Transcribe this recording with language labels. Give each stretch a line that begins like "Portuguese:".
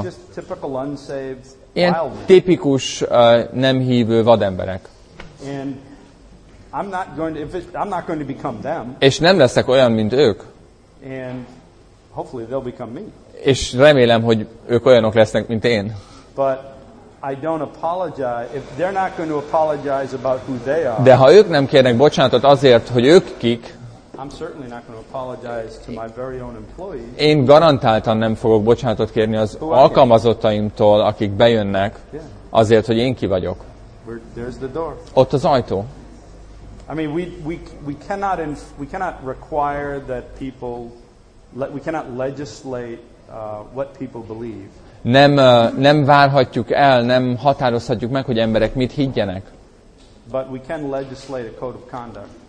English: They're just typical unsaved,
Hungarian: ilyen tipikus nem hívő vademberek.
English: And I'm not going to become them.
Hungarian: És nem leszek olyan, mint ők.
English: And hopefully they'll become me.
Hungarian: És remélem, hogy ők olyanok lesznek, mint én.
English: But I don't apologize if they're not going to apologize about who they are.
Hungarian: De ha ők nem kérnek bocsánatot azért, hogy ők kik.
English: I'm certainly not going to apologize to my very own employees.
Hungarian: Én garantáltan nem fogok bocsánatot kérni az alkalmazottaimtól, akik bejönnek,
English: yeah.
Hungarian: Azért, hogy én ki vagyok.
English: There's the door.
Hungarian: Ott az ajtó.
English: I mean we cannot require that people we cannot legislate what people believe.
Hungarian: Nem várhatjuk el, nem határozhatjuk meg, hogy emberek mit higgyenek.
English: But we can legislate a code of conduct.